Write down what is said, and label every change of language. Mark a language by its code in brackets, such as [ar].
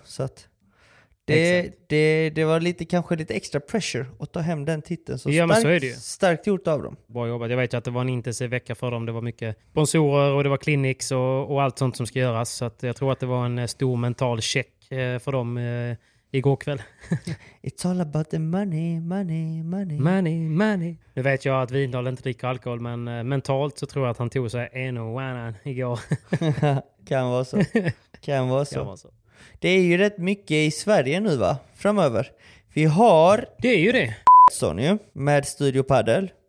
[sv] Så att det var lite, kanske lite extra pressure att ta hem den titeln. Så, ja, starkt, så är det ju. Starkt gjort av dem. Bra jobbat. Jag vet ju att det var en intensiv vecka för dem. Det var mycket sponsorer och det var clinics och allt sånt som ska göras. Så att jag tror att det var en stor mental check för dem igår kväll. [en] It's all about the money, money, money. Money, money. [sv] Nu vet jag att Vindahl inte dricker alkohol, men mentalt så tror jag att han tog sig en och annan igår. Kan vara så. Kan vara så. Kan vara så. Det är ju rätt mycket i Sverige nu, va? Framöver. Vi har... Det är ju det. Sony med Studio Padel.